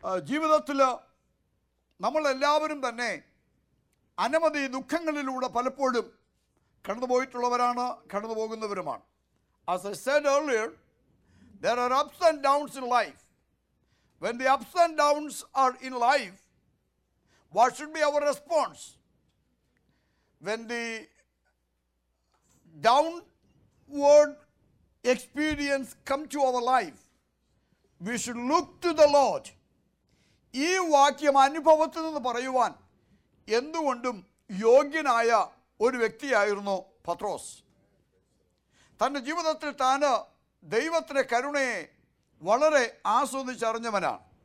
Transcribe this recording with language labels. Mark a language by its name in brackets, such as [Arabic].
[Malayalam] ജീവിതത്തിൽ നമ്മളെല്ലാവരും തന്നെ അനവധി ദുഃഖങ്ങളിലൂടെ പലപ്പോഴും കടന്നുപോയിട്ടുള്ളവരാണ്, കടന്നുപോകുന്നവരുമാണ്. [English] As I said earlier, there are ups and downs in life. When the ups and downs are in life, what should be our response? When the downward experience come to our life, we should look to the Lord. [Malayalam] ഈ വാക്യം അനുഭവത്തിൽ നിന്ന് പറയുവാൻ എന്തുകൊണ്ടും യോഗ്യനായ ഒരു വ്യക്തിയായിരുന്നു പത്രോസ്. തൻ്റെ ജീവിതത്തിൽ താൻ ദൈവത്തിൻ്റെ കരുണയെ വളരെ ആസ്വദിച്ചറിഞ്ഞവനാണ്.